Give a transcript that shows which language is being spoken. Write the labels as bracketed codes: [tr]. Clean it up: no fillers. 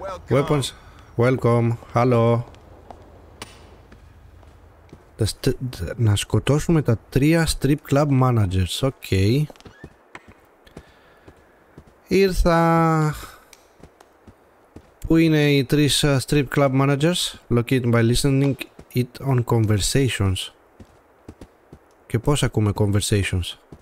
[en] Weapons. Welcome. Hello. [el] Να σκοτώσουμε τα τρία strip club managers. Οκ. Ήρθα. Πού είναι οι τρεις strip club managers? [en] Located by listening it on conversations. [el] Και πώς ακούμε conversations?